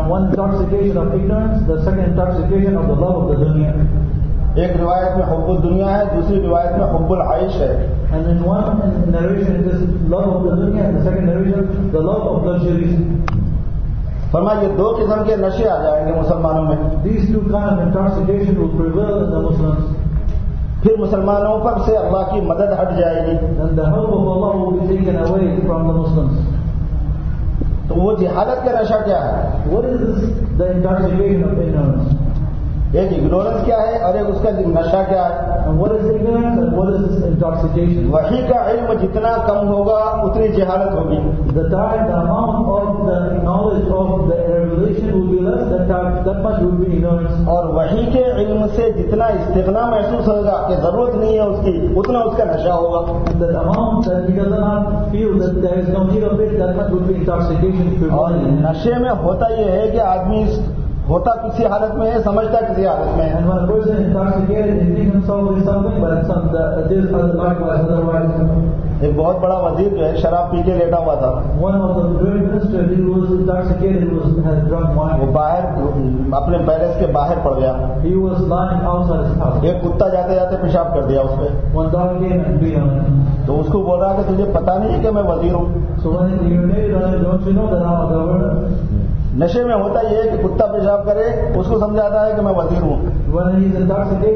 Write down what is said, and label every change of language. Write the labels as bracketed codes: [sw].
[en] One intoxication of ignorance, the second intoxication of the love of the دنیا. [ur] ایک روایت میں حب الدنیا ہے, دوسری روایت میں حب العیش ہے. [en] And in one narration it is love of the dunya, and the second narration the love of luxuries. [ur] فرمایا یہ دو قسم کے نشے آ جائیں گے مسلمانوں میں. [en] These two kinds of intoxication will prevail in the Muslims. [ur] پھر مسلمانوں پر سے اللہ کی مدد ہٹ جائے گی. [en] And the help of Allah will be taken away from the Muslims. [ur] تو وہ جہالت کا نشہ کیا ہے؟ [en] What is this, the intoxication of ignorance? [ur] ایک اگنورنس کیا ہے اور ایک اس کا نشہ کیا ہے؟ [en] What is ignorance and what is intoxication? [ur] وحی کا علم جتنا کم ہوگا اتنی جہالت ہوگی. [en] The time, the amount of the knowledge of the revelation will be less, that time, that much will be ignorance. [ur] اور وحی کے علم سے جتنا استغنا محسوس ہوگا کہ ضرورت نہیں ہے اس کی, اتنا اس کا نشہ ہوگا. [en] The amount that he does not feel that there is no need of it, that much will be intoxication. [ur] اور نشے میں ہوتا یہ ہے کہ آدمی ہوتا کسی حالت میں ہے, سمجھتا کسی حالت میں. [en] And when a person is intoxicated, he thinks himself with something, but it's not the this or the that or otherwise. [ur] ایک بہت بڑا وزیر جو ہے شراب پی کے لیٹا ہوا تھا. [en] One of the great minister, he was intoxicated, had drunk wine. [ur] وہ باہر اپنے پیلس کے باہر پڑ گیا. [en] He was lying outside his house. [ur] ایک کتا جاتے جاتے پیشاب کر دیا اس پہ. [en] One dog came and beat him. [ur] تو اس کو بول رہا کہ تجھے پتا نہیں ہے کہ میں وزیر ہوں. [en] So when he made it, don't you know that I'm a governor? [ur] نشے میں ہوتا یہ ہے کہ کتا پیشاب کرے اس کو سمجھاتا ہے کہ میں وزیر ہوں.